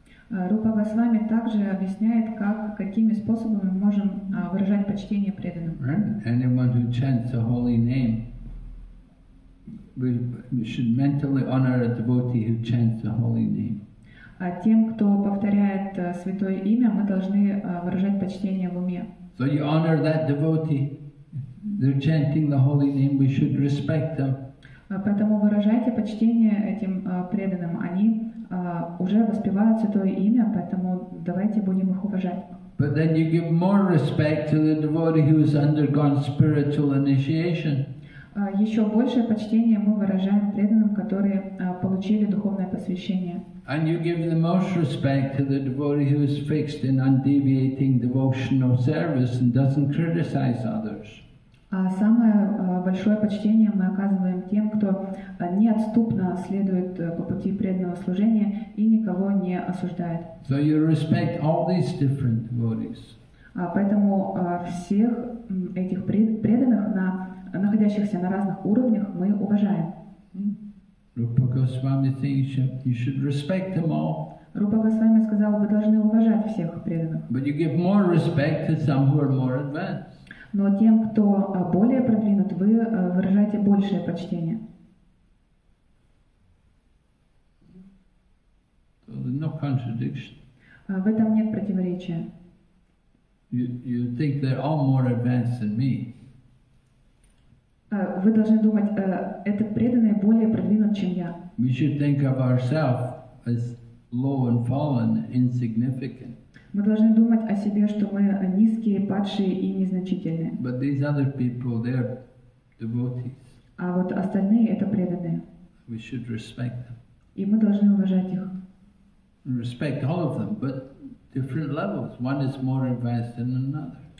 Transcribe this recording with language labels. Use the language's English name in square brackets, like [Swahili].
[Russian] Rupa Goswami также объясняет, какими способами мы можем выражать почтение преданным. [English] Right? Anyone who chants a holy name, we should mentally honor a devotee who chants a holy name. [Russian] А тем, кто повторяет святое имя, мы должны выражать почтение в уме. [English] So you honor that devotee. They're chanting the holy name, we should respect them. [Russian] Поэтому выражайте почтение этим преданным. Они уже воспевают Святое Имя, поэтому давайте будем их уважать. [English] But then you give more respect to the devotee who has undergone spiritual initiation. [Russian] Еще большее почтение мы выражаем преданным, которые получили духовное посвящение. [English] And you give the most respect to the devotee who is fixed in undeviating devotional service and doesn't criticize others. [Russian] Самое большое почтение мы оказываем тем, кто неотступно следует по пути преданного служения и никого не осуждает. [English] So you respect all these different devotees. [Russian] Поэтому всех этих преданных, находящихся на разных уровнях, мы уважаем. [English] Rupa Goswami thinks you should respect them all. [Russian] Рупа Госвами сказал, вы должны уважать всех преданных. [English] But you give more respect to some who are more advanced. [Russian] Но тем, кто более продвинут, вы выражаете большее почтение. [English] So there's no contradiction. [Russian] В этом нет противоречия. [English] You think they're all more advanced than me. [Russian] Вы должны думать, этот преданный более продвинут, чем я. [English] We should think of ourselves as low and fallen, insignificant. [Russian] Мы должны думать о себе, что мы низкие, падшие и незначительные. [English] But these other people, they are devotees. [Russian] А вот остальные — это преданные. [English] We should respect them. [Russian] И мы должны уважать их. [English] Respect all of them, but different levels. One is more advanced than another.